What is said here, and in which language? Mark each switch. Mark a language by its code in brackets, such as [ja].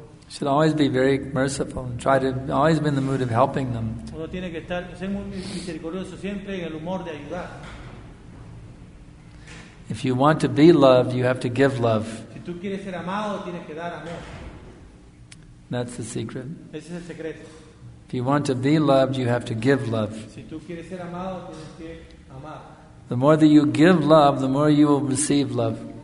[en] Should always be very merciful and try to always be in the mood of helping them. [es] Uno tiene que estar, ser muy misericordioso siempre en el humor de ayudar. [en] If you want to be loved, you have to give love. [es] Si tú quieres ser amado, tienes que dar amor. [en] That's the secret. [es] Ese es el secreto. [en] If you want to be loved, you have to give love. [es] Si tú quieres ser amado, tienes que amar. [en] The more that you give love, the more you will receive love.